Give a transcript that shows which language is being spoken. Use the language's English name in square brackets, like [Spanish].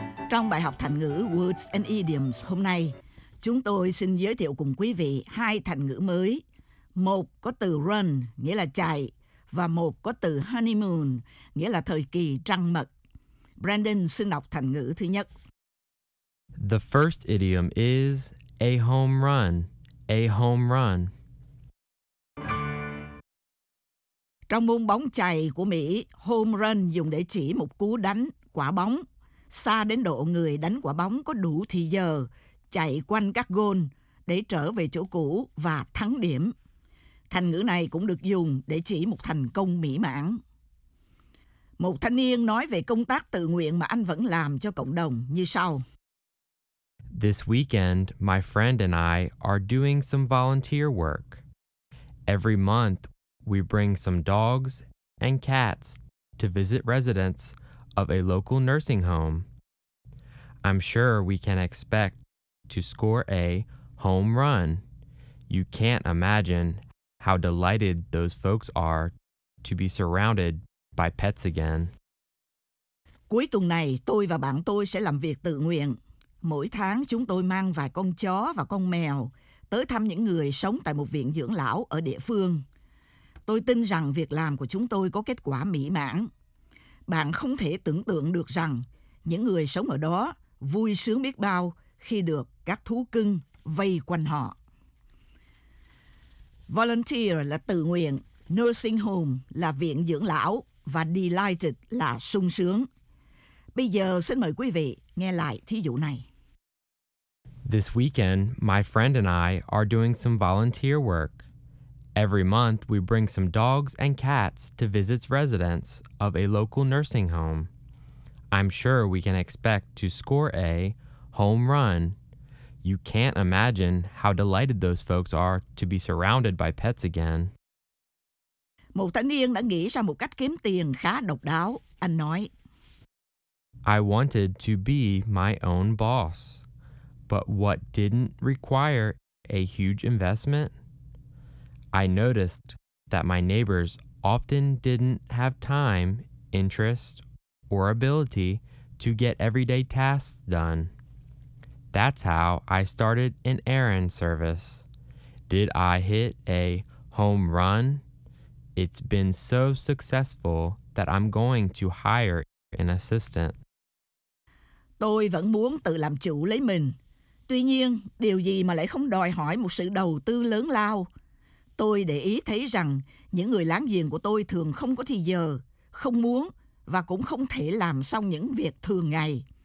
[Vietnamese] Trong bài học thành ngữ [English] Words and Idioms [Vietnamese] hôm nay, chúng tôi xin giới thiệu cùng quý vị hai thành ngữ mới. Một có từ run, nghĩa là chạy, và một có từ honeymoon, nghĩa là thời kỳ trăng mật. Brandon xin đọc thành ngữ thứ nhất. [English] The first idiom is a home run, a home run. [Vietnamese] Trong môn bóng chày của Mỹ, home run dùng để chỉ một cú đánh quả bóng xa đến độ người đánh quả bóng có đủ thì giờ chạy quanh các gôn để trở về chỗ cũ và thắng điểm. Thành ngữ này cũng được dùng để chỉ một thành công mỹ mãn. Một thanh niên nói về công tác tự nguyện mà anh vẫn làm cho cộng đồng như sau. [English] This weekend, my friend and I are doing some volunteer work. Every month, we bring some dogs and cats to visit residents of a local nursing home. I'm sure we can expect to score a home run. You can't imagine how delighted those folks are to be surrounded by pets again. [Vietnamese] Cuối tuần này, tôi và bạn tôi sẽ làm việc tự nguyện. Mỗi tháng chúng tôi mang vài con chó và con mèo tới thăm những người sống tại một viện dưỡng lão ở địa phương. Tôi tin rằng việc làm của chúng tôi có kết quả mỹ mãn. Bạn không thể tưởng tượng được rằng những người sống ở đó vui sướng biết bao khi được các thú cưng vây quanh họ. Volunteer là tự nguyện, nursing home là viện dưỡng lão và delighted là sung sướng. Bây giờ xin mời quý vị nghe lại thí dụ này. [English] This weekend, my friend and I are doing some volunteer work. Every month, we bring some dogs and cats to visit residents of a local nursing home. I'm sure we can expect to score a home run. You can't imagine how delighted those folks are to be surrounded by pets again. [Vietnamese] Một thanh niên đã nghĩ ra một cách kiếm tiền khá độc đáo. Anh nói, [English] I wanted to be my own boss, but what didn't require a huge investment? I noticed that my neighbors often didn't have time, interest, or ability to get everyday tasks done. That's how I started an errand service. Did I hit a home run? It's been so successful that I'm going to hire an assistant. [Vietnamese] Tôi vẫn muốn tự làm chủ lấy mình. Tuy nhiên, điều gì mà lại không đòi hỏi một sự đầu tư lớn lao? Tôi để ý thấy rằng những người láng giềng của tôi thường không có thời giờ, không muốn và cũng không thể làm xong những việc thường ngày.